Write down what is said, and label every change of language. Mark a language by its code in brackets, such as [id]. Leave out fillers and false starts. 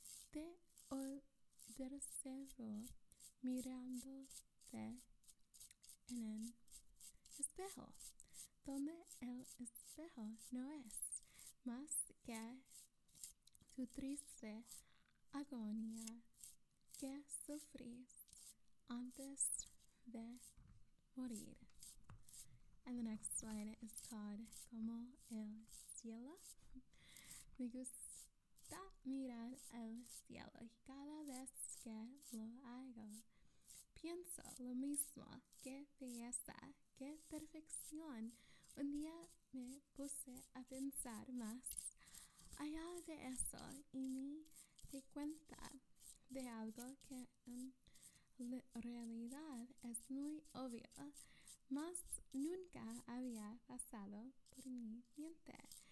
[es] Te observo mirándote en el espejo, donde el espejo no es más que tu triste agonía que sufrís antes de morir. [en] And the next line is called Como el cielo. [es] Me gusta mirar el cielo y cada vez que lo hago pienso lo mismo. Qué belleza, qué perfección. Un día me puse a pensar más allá de eso y me di cuenta de algo que en realidad es muy obvio, mas nunca había pasado por mi mente.